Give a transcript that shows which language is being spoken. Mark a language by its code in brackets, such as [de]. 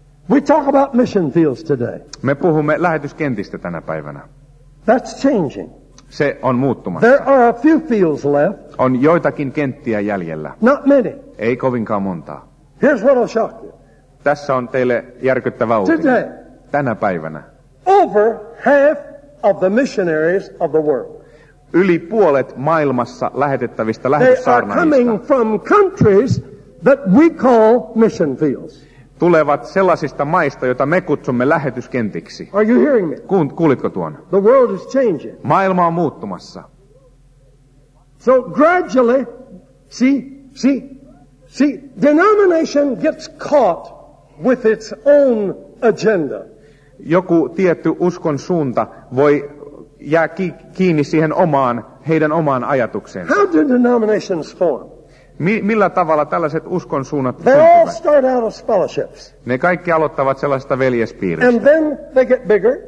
[en] We talk about mission fields today. [fi] Me puhumme lähetyskentistä tänä päivänä. [en] That's changing. [fi] Se on muuttumassa. [en] There are a few fields left. [fi] On joitakin kenttiä jäljellä. [en] Not many. [fi] Ei kovinkaan montaa. [en] Here's what will shock you. [fi] Tässä on teille järkyttävä uutinen. [en] Today, [fi] tänä päivänä. [en] Over half of the missionaries of the world. [fi] Yli puolet maailmassa lähetettävistä lähetyssaarnaajista. [en] They are coming from countries that we call mission fields. [fi] Tulevat sellaisista maista, joita me kutsumme lähetyskentiksi. [en] Are you hearing me? [fi] Kuulitko tuon? [en] The world is changing. [fi] Maailma on muuttumassa. [en] So gradually, see, denomination gets caught with its own agenda. [fi] Joku tietty uskon suunta voi jää kiinni siihen omaan, heidän omaan ajatukseensa. [en] How do denominations form? [fi] Millä tavalla tällaiset uskon suunnat syntyvät? Ne kaikki aloittavat sellaista veljespiiristä. [en] And then they get bigger.